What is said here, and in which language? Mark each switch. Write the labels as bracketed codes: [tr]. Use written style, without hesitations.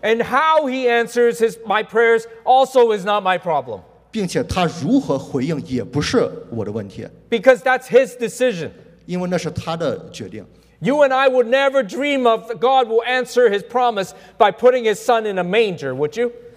[en] And how he answers my prayers also is not my problem. [zh] 并且他如何回应也不是我的问题。 [en] Because that's his decision. [zh] 因为那是他的决定。 [en] You and I would never dream of God will answer his promise by putting his son in a manger, would you?